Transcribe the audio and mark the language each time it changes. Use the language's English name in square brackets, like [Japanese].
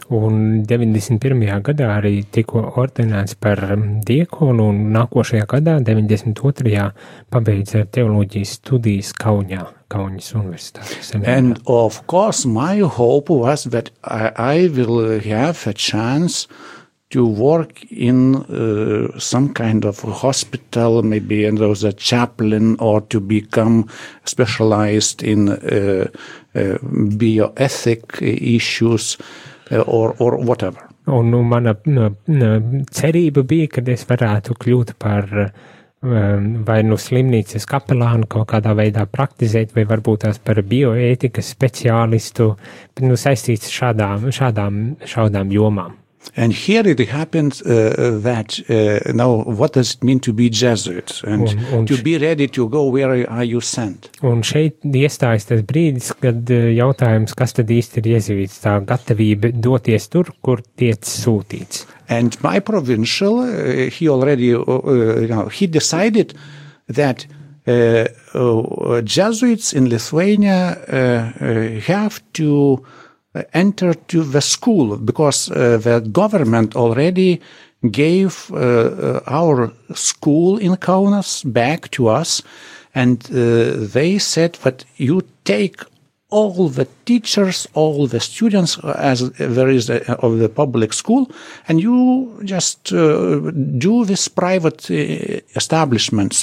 [Latvian] Un 91. Gadā arī tiko ordinēts par diekonu, un nākošajā gadā, 92. Pabeidza teoloģijas studijas Kaunā, Kaunas universitātes seminārā. [English] And of course, my hope was that I will have a chance to work in some kind of hospital, maybe and as a chaplain, or to become specialized in bioethic issues or whatever. [Latvian] Un mana cerība bija, kad es varētu kļūt par vai no slimnīcas kapelānu kaut kādā veidā praktizēt, vai varbūt tās par bioētikas speciālistu, bet nu saistīts šādām jomām. [English] And here it happens that, now, what does it mean to be Jesuit and to be ready to go, where are you sent? [Latvian] Un šeit iestājas tas brīdis, kad jautājums, kas tad īsti ir jezuīts, tā gatavība doties tur, kur tiec sūtīts. [English] And my provincial, he already, he decided that Jesuits in Lithuania have to enter to the school, because the government already gave our school in Kaunas back to us, and they said that you take all the teachers, all the students, as there is of the public school, and you just do this private establishment.